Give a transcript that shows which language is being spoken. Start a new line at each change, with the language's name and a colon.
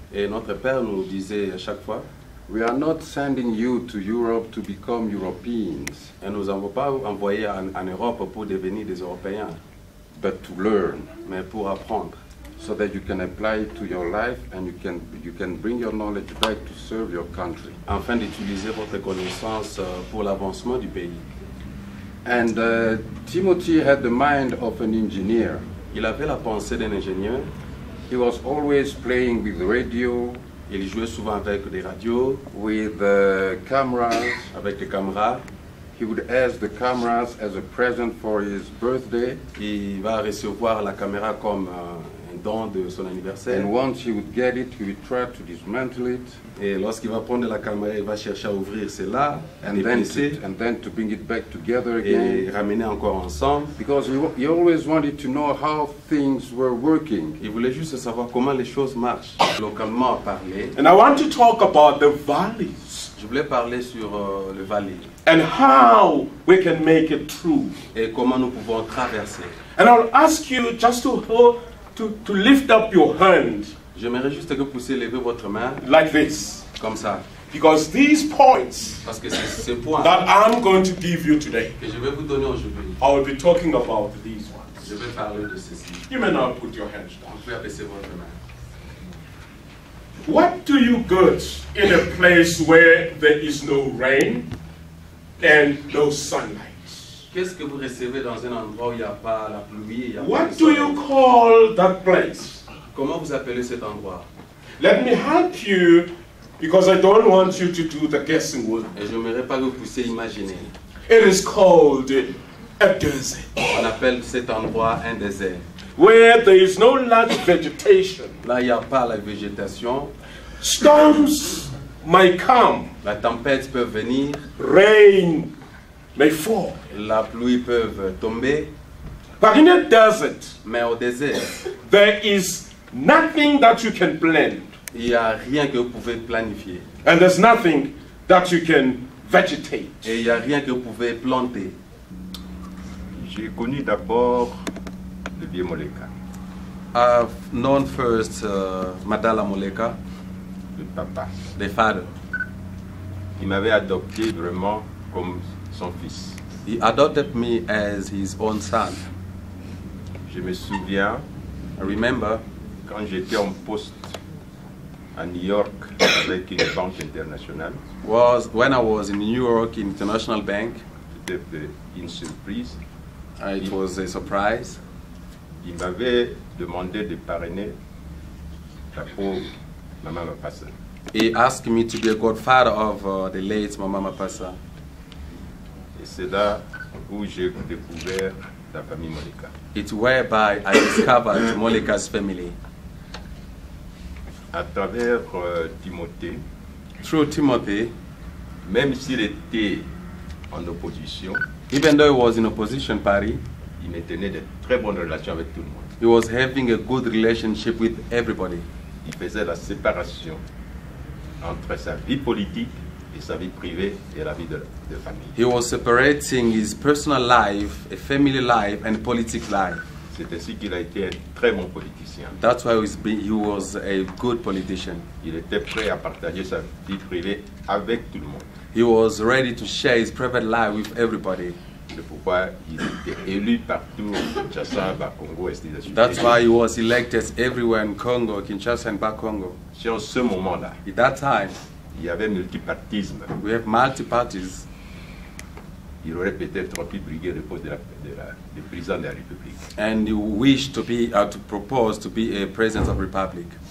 French: Et notre père nous disait à chaque fois.
English: We are not sending you to Europe to become Europeans.
French: Et nous n'avons pas envoyé en Europe pour devenir des Européens.
English: But to learn.
French: Mais pour apprendre.
English: So that you can apply it to your life and you can bring your knowledge back to serve your country.
French: Afin d'utiliser votre connaissance pour l'avancement du pays.
English: And Timothy had the mind of an engineer.
French: Il avait la pensée d'un ingénieur.
English: He was always playing with radio.
French: Il jouait souvent avec des radios.
English: With cameras.
French: Avec des caméras.
English: He would ask the cameras as a present for his birthday.
French: Il va recevoir la caméra comme de son anniversaire.
English: And once he would get it, he would try to dismantle it.
French: Et lorsqu'il va prendre la caméra, il va chercher à ouvrir cela.
English: And then to bring it back together again.
French: Et ramener encore ensemble.
English: Because he always wanted to know how things were working.
French: Il voulait juste savoir comment les choses marchent. Localement à parler.
English: And I want to talk about the valleys.
French: Je voulais parler sur le valley.
English: And how we can make it through.
French: Et comment nous pouvons traverser.
English: And I'll ask you just to hold. To lift up your hand.
French: J'aimerais juste que vous puissiez lever votre main.
English: Like this.
French: Comme ça.
English: Because these points.
French: Parce que c'est ces points.
English: That I'm going to give you today.
French: Que je vais vous donner aujourd'hui.
English: I will be talking about these ones.
French: Je vais parler de ceci.
English: You may not put your hands down.
French: Vous pouvez abaisser votre main.
English: What do you get in a place where there is no rain and no sunlight?
French: Qu'est-ce que vous recevez dans un endroit où il n'y a pas la pluie, il n'y a pas
English: What do you call that place?
French: Comment vous appelez cet endroit?
English: Let me help you, because I don't want you to do the guessing work.
French: Et je n'aimerais pas que vous puissiez imaginer.
English: It is called a desert.
French: On appelle cet endroit un désert.
English: Where there is no large vegetation.
French: Là, il n'y a pas la végétation.
English: Storms may come.
French: La tempête peut venir.
English: Rain. May fall.
French: La pluie peut tomber.
English: But in a desert,
French: mais au désert,
English: there is nothing that you can plan.
French: Il y a rien que vous pouvez planifier.
English: And there's nothing that you can vegetate.
French: Et il y a rien que vous pouvez planter. J'ai connu d'abord le vieux Moleka.
English: I've known first Madala Moleka,
French: le papa,
English: the father.
French: Il m'avait adopté vraiment comme son fils.
English: He adopted me as his own son.
French: Je me souviens,
English: I remember,
French: quand j'étais en poste à New York avec une banque internationale.
English: Was when I was in New York in International Bank.
French: C'était une surprise.
English: It was a surprise.
French: Il m'avait demandé de parrainer la pauvre Mama Mapasa.
English: He asked me to be a godfather of the late Mama Mapasa.
French: C'est là où j'ai découvert la famille Moleka.
English: It's whereby I discovered Moleka's family.
French: à travers Timothée,
English: through Timothy,
French: même s'il était en opposition,
English: even though he was in opposition party,
French: il maintenait de très bonnes relations avec tout le monde.
English: He was having a good relationship with everybody.
French: Il faisait la séparation entre sa vie politique et sa vie privée et la vie de famille.
English: He was separating his personal life, a family life and political life.
French: C'est ainsi qu'il a été un très bon politicien.
English: That's why he was a good politician.
French: Il était prêt à partager sa vie privée avec tout le monde.
English: He was ready to share his private life with everybody.
French: C'est pourquoi il était élu partout au Kinshasa, Bakongo, et ainsi de suite.
English: That's why he was elected everywhere in Congo, Kinshasa and Bakongo.
French: Sur ce moment-là,
English: at that time,
French: il y avait multipartisme.
English: We have multi-parties.
French: Il aurait peut-être pu briguer le poste de président de la République.
English: And you wish to be to propose to be a president of the Republic.